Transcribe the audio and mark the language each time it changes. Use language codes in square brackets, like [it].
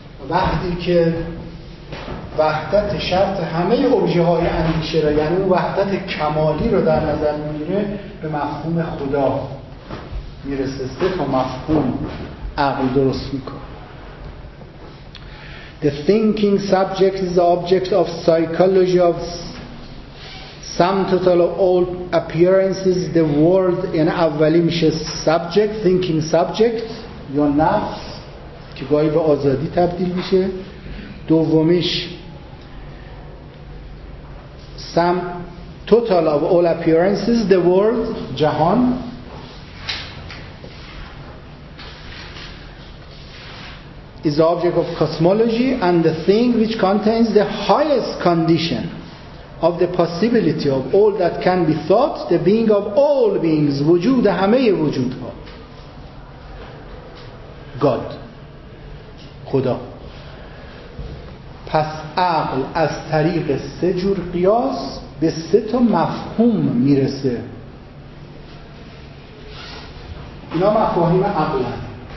[fa] وقتی که وحدت شرط همه ابژه های اندیشه را، یعنی اون وحدت کمالی را در نظر میگیره، به مفهوم خدا میرسه. سه تا مفهوم عقل درست میکنه. [en] The thinking subject is the object of psychology of sum total of all appearances. The world in [fa] اولی میشه subject, thinking subject یا نفس که گاهی به آزادی تبدیل میشه. [en] دومیش sum total of all appearances, the world جهان. Is the object of cosmology and the thing which contains the highest condition of the possibility of all that can be thought, the being of all beings, [fa] وجود همه وجودها، [en] God، خدا. [fa] پس عقل از طریق سه جور قیاس به سه تا مفهوم میرسه. اینا مفاهیم عقل هست.